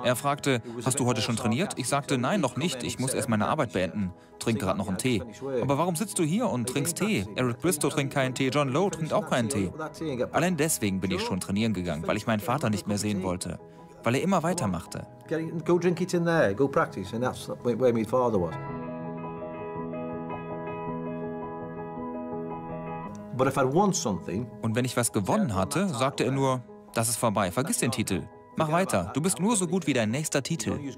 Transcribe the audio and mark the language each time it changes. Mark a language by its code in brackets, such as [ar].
[de] Er fragte, hast du heute schon trainiert? Ich sagte, nein, noch nicht. Ich muss erst meine Arbeit beenden. Trink gerade noch einen Tee. Aber warum sitzt du hier und trinkst Tee? Eric Bristow trinkt keinen Tee, John Lowe trinkt auch keinen Tee. Allein deswegen bin ich schon trainieren gegangen, weil ich meinen Vater nicht mehr sehen wollte. Weil er immer weitermachte. [en] Go drink it in there, go practice. And that's where my father was. [de] Und wenn ich was gewonnen hatte, sagte er nur, das ist vorbei, vergiss den Titel. Mach weiter, du bist nur so gut wie dein nächster Titel.